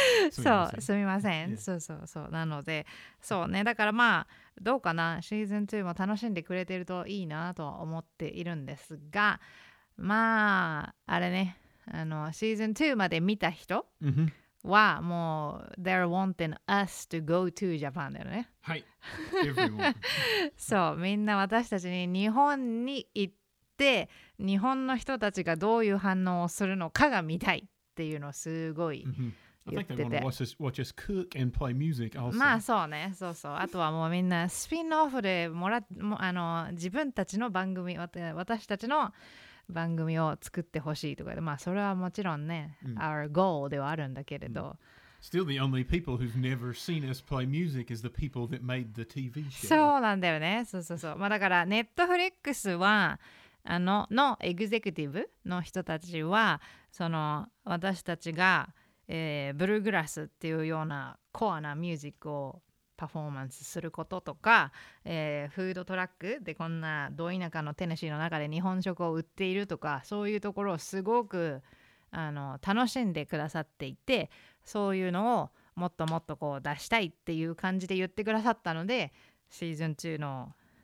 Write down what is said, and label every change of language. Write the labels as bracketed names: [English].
[Japanese] そうすみません、yeah. そうそうそう、なのでそうね、だからまあどうかな、シーズン2も楽しんでくれてるといいなとは思っているんですが、まああれね、あのシーズン2まで見た人はもう [English] They're wanting us to go to Japan [Japanese] だよね。はい。そう、みんな私たちに日本に行って日本の人たちがどういう反応をするのかが見たいっていうのをすごい言ってて、 [English] mm-hmm. I think they want to watch us cook and play music also. [Japanese] まあそうね、そうそう、あとはもうみんなスピンオフでもらもあの自分たちの番組、私たちの番組を作ってほしいとかで、まあそれはもちろんね、うん、 [English] our goal [Japanese] ではあるんだけれど、うん、 [English] Still the only people who've never seen us play music is the people that made the TV show. [Japanese] そうなんだよね、そうそうそう、まあだから Netflix はあののエグゼクティブの人たちはその私たちが、ブルーグラスっていうようなコアなミュージックをパフォーマンスすることとか、フードトラックでこんなど田舎のテネシーの中で日本食を売っているとか、そういうところをすごくあの楽しんでくださっていて、そういうのをもっともっとこう出したいっていう感じで言ってくださったので、シーズン2の